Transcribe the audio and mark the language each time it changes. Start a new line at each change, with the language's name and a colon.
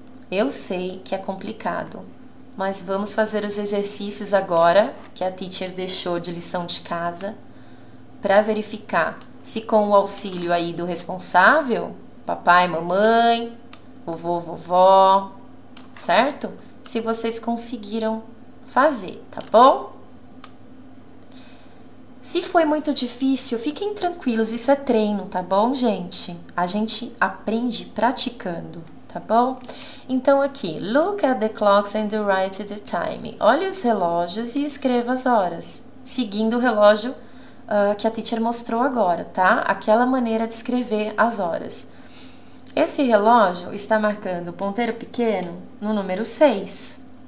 Portuguese: Eu sei que é complicado, mas vamos fazer os exercícios agora, que a teacher deixou de lição de casa, para verificar se com o auxílio aí do responsável, papai, mamãe, vovô, vovó, certo? Se vocês conseguiram fazer, tá bom? Se foi muito difícil, fiquem tranquilos, isso é treino, tá bom, gente? A gente aprende praticando. Tá bom? Então aqui,
English: look at the clocks and write the time.
Portuguese: Olhe os relógios e escreva as horas, seguindo o relógio que a teacher mostrou agora, tá? Aquela maneira de escrever as horas. Esse relógio está marcando o ponteiro pequeno no número 6.